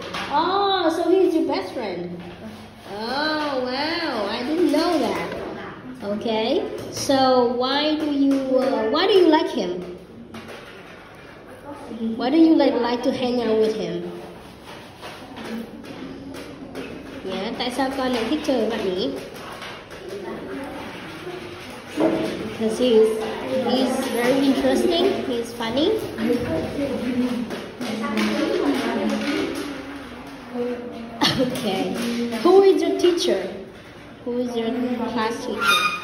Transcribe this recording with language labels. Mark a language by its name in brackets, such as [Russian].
[English] Oh, so he's your best friend. Oh, wow. I didn't know that. Okay. So why do you like him? Why do you like to hang out with him? [Vietnamese] Yeah, tại sao con lại thích chơi với bạn nhỉ? [English] Because he's very interesting, he's funny. Okay, who is your teacher? Who is your class teacher?